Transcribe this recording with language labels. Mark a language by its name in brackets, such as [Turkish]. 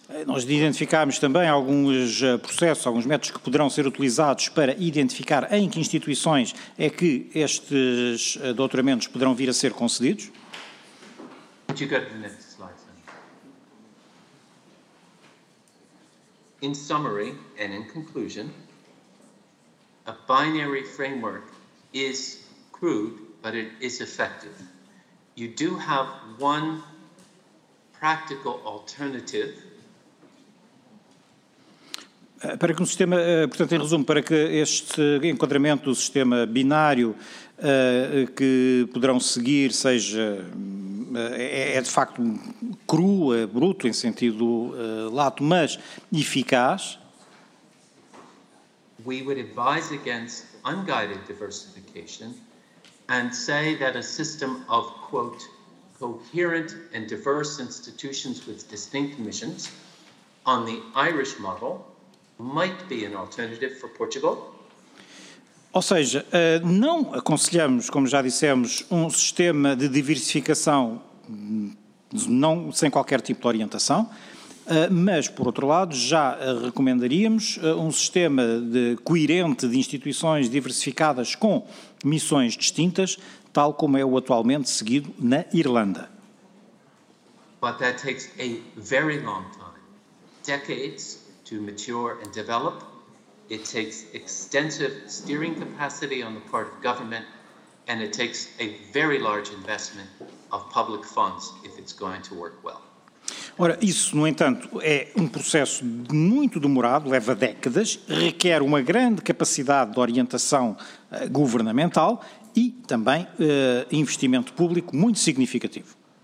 [Portuguese] Nós identificámos também alguns processos, alguns métodos que poderão ser utilizados para identificar em que instituições é que estes doutoramentos poderão vir a ser concedidos. [English] Could you go to the next slide, then? In summary and in conclusion, a binary framework is crude, but it is effective. You do have one practical alternative. [Portuguese] Para que um sistema, portanto, em resumo, para que este enquadramento do sistema binário que poderão seguir seja, de facto, cru, bruto, em sentido lato, mas eficaz. [English] We would advise against unguided diversification and say that a system of, quote, coherent and diverse institutions with distinct missions on the Irish model might be an alternative for Portugal. [Portuguese] Ou seja, não aconselhamos, como já dissemos, um sistema de diversificação não, sem qualquer tipo de orientação, mas, por outro lado, já recomendaríamos um sistema de coerente de instituições diversificadas com missões distintas, tal como é o atualmente seguido na Irlanda. [English] But that takes a very long time, decades, to mature and develop. It takes extensive steering capacity on the part of government, and it takes a very large investment of public funds if it's going to work well. [Portuguese] Ora, isso, no entanto, é um processo muito demorado, leva décadas, requer uma grande capacidade de orientação governamental e também investimento público muito significativo.